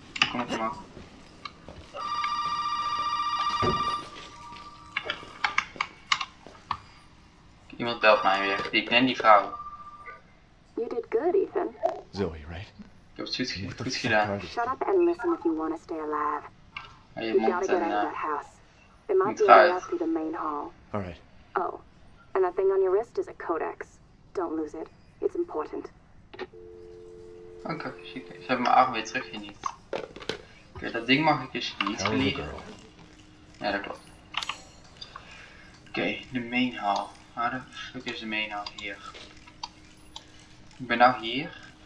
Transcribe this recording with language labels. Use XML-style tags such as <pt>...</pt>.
<nl>Kom op, man. Iemand belt mij weer. Ik ken die vrouw.</nl> <en>You did good, Ethan. Zoe, right?</en> <nl>Ik heb het goed, goed gedaan.</nl> <en>Shut up and listen if you want to stay alive.</en> <nl>Ja, je moet</nl> <en>get out of that house. It might be out through the main hall. All right. Oh, and that thing on your wrist is a codex. Don't lose it. It's important.</en> <nl>Oké, ze hebben mijn arm weer teruggeniet. Oké, dat ding mag ik dus niet verliezen. Ja, dat klopt. Oké, de main hall. Waar de fuck is de main hall hier? Ik ben nou hier.</nl>